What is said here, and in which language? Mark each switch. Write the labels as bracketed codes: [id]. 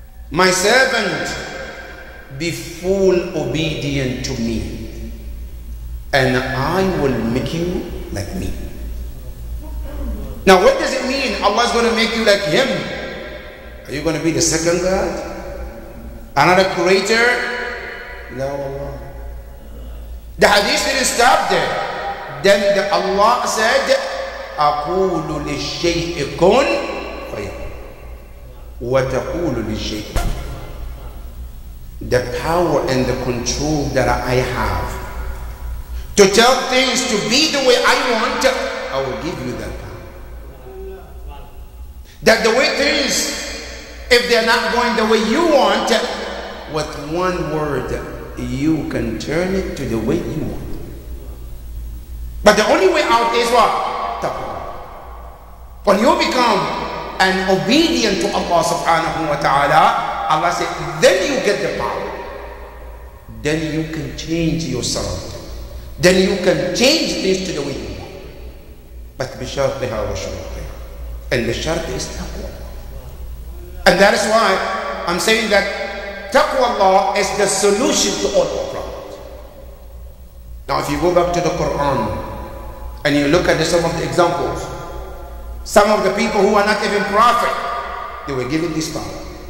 [en] My servant, be full obedient to me, and I will make you like me. Now, what does it mean Allah's going to make you like him? Are you going to be the second God? Another creator? No, Allah. The hadith didn't stop there. Then Allah said, [ar] أَقُولُ لِلشَّيْءِ كُنْ فَيَكُونُ وَتَقُولُ لِلشَّيْءِ. [en] The power and the control that I have to tell things to be the way I want, I will give you that power. That the way things, if they're not going the way you want, with one word, you can turn it to the way you want. But the only way out is what? Taqwa. When you become an obedient to Allah subhanahu wa ta'ala, Allah said, then you get the power. Then you can change yourself. Then you can change things to the way you want. But [ar] بِشَرْطِهَا وَشُرْطِهَا. [en] And the shart is taqwa. And that is why I'm saying that taqwa Allah is the solution to all our problems. Now if you go back to the Quran and you look at some of the examples, some of the people who are not even prophet, they were given this power.